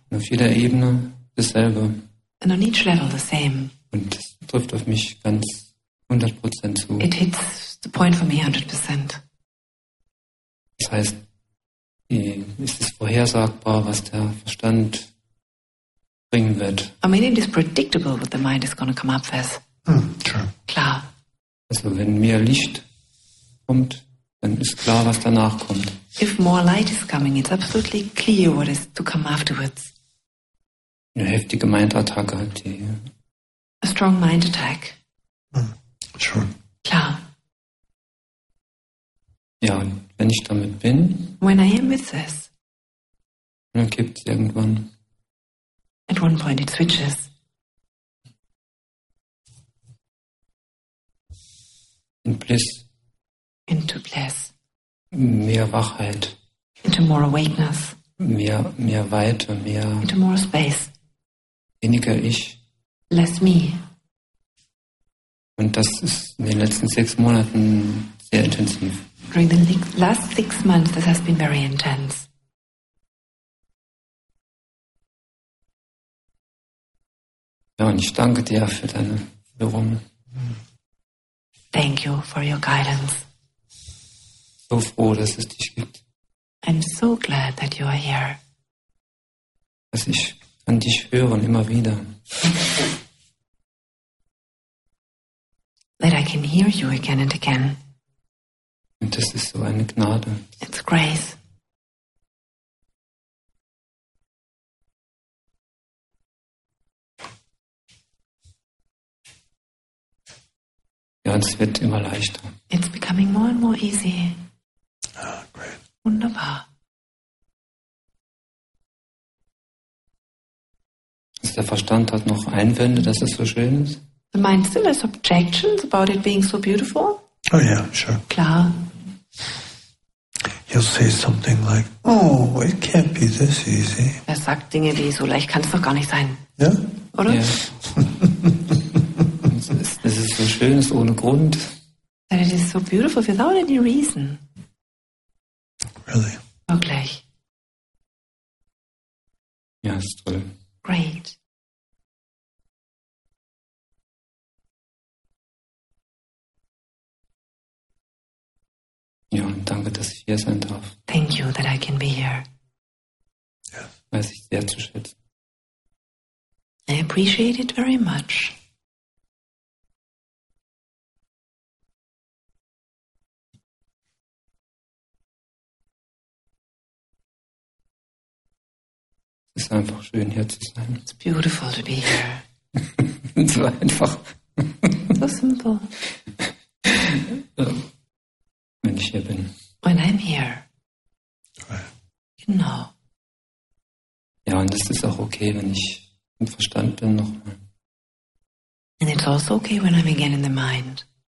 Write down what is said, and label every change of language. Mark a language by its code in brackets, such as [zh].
[de] Und auf jeder Ebene dasselbe. [en] And on each level the same. [de] Und das trifft auf mich ganz 100% zu. [en] It hits the point for me 100%. [de] Das heißt, ist es vorhersagbar, was der Verstand bringen wird? [en] I mean, it is predictable what the mind is going to come up with. Sure. [de] Klar. Also wenn mehr Licht kommt, dann ist klar, was danach kommt. [en] If more light is coming, it's absolutely clear what is to come afterwards. [de] Eine heftige Mindattacke. [en] A strong mind attack. Sure. [de] Klar. Ja, und wenn ich damit bin, [en] when I am with this, [de] dann kippt es irgendwann. [en] At one point it switches. In bliss. Into bliss. [de] Mehr Wachheit. [en] Into more awakeness. [de] Mehr Weite, mehr. [en] Into more space. [de] Weniger ich. [en] Less me. [de] Und das ist in den letzten 6 Monaten sehr intensiv. [en] During the last 6 months, this has been very intense. [de] Ja, und ich danke dir für deine Führung. [en] Thank you for your guidance. [de] So froh, dass es dich gibt. [en] I'm so glad that you are here. [de] Dass ich an dich höre und immer wieder. [en] That I can hear you again and again. [de] Und das ist so eine Gnade. [en] It's grace. [de] Ja, es wird immer leichter. [en] It's becoming more and more easy. Ah, great. [de] Wunderbar. Also der Verstand hat noch Einwände, dass es so schön ist. [en] The mind still has objections about it being so beautiful. Oh yeah, sure. [de] Klar. [en] He'll say something like, oh, it can't be this easy. [de] Er sagt Dinge wie, so leicht kann es doch gar nicht sein. Ja? [en] Yeah? [de] Oder? Ja. [en] Yeah. [de] Es ist so schön, es ist ohne Grund. [en] But it is so beautiful without any reason. Really? [de] Wirklich. Ja, es ist toll. [en] Great. [de] Ja, und danke, dass ich hier sein darf. [en] Thank you that I can be here. Yes. [de] Weiß ich sehr zu schätzen. [en] I appreciate it very much. [de] Es ist einfach schön, hier zu sein. [en] It's beautiful to be here. [de] So einfach. [en] So simple. [de] Wenn ich hier bin. [en] When I'm here. [de] Genau. Ja, und es ist auch okay, wenn ich im Verstand bin nochmal. [en] And it's also okay when I'm again in the mind.